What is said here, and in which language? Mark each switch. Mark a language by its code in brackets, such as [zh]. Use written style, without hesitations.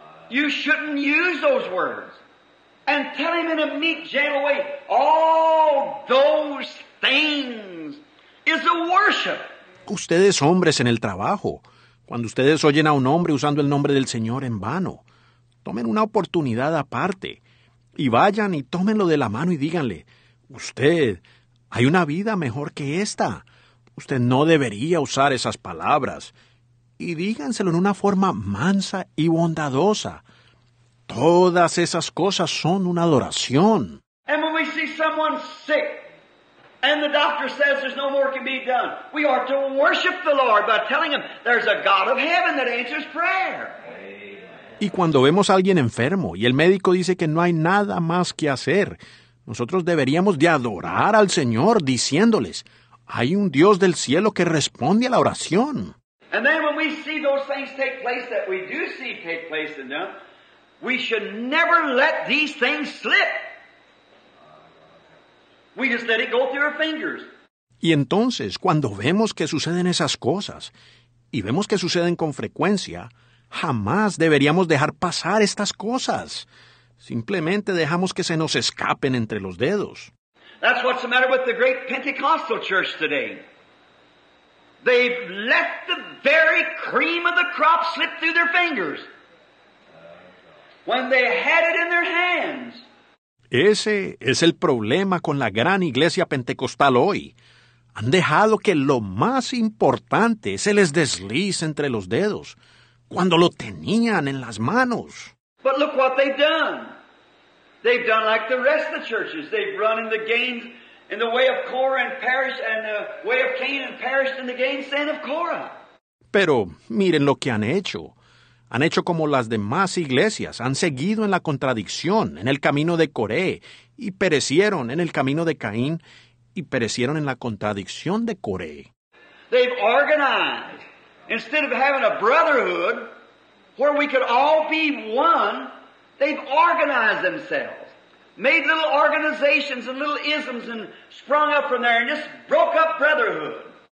[en] You shouldn't use those words. And tell him in a meek, gentle way, all those things is a worship. [es] Ustedes hombres en el trabajo, cuando ustedes oyen a un hombre usando el nombre del Señor en vano, tomen una oportunidad aparte y vayan y tómenlo de la mano y díganle, usted, hay una vida mejor que esta. Usted no debería usar esas palabras. Y díganselo en una forma mansa y bondadosa. Todas esas cosas son una adoración. [en] And when we see someone sick, and the doctor says there's no more can be done, we are to worship the Lord by telling him there's a God of heaven that answers prayer. [es] Y cuando vemos a alguien enfermo y el médico dice que no hay nada más que hacer, nosotros deberíamos de adorar al Señor diciéndoles, hay un Dios del cielo que responde a la oración. [en] And then when we see those things take place that we do see take place in them, we should never let these things slip. We just let it go through our fingers. [es] Y entonces, cuando vemos que suceden esas cosas, y vemos que suceden con frecuencia, jamás deberíamos dejar pasar estas cosas. Simplemente dejamos que se nos escapen entre los dedos. [en] That's what's the matter with the great Pentecostal church today. They've let the very cream of the crop slip through their fingers when they had it in their hands. [es] Ese es el problema con la gran iglesia pentecostal hoy. Han dejado que lo más importante se les deslice entre los dedos, cuando lo tenían en las manos. [en] But look what they've done. They've done like the rest of the churches. They've run in the gains in the way of Korah and perished, and the way of Cain and perished in the gains of Korah. [es] Pero miren lo que han hecho. Han hecho como las demás iglesias, han seguido en la contradicción, en el camino de Coré, y perecieron en el camino de Caín, y perecieron en la contradicción de Coré. [en] They've organized, instead of having a brotherhood where we could all be one, they've organized themselves, made little organizations and little isms and sprung up from there and just broke up brotherhood.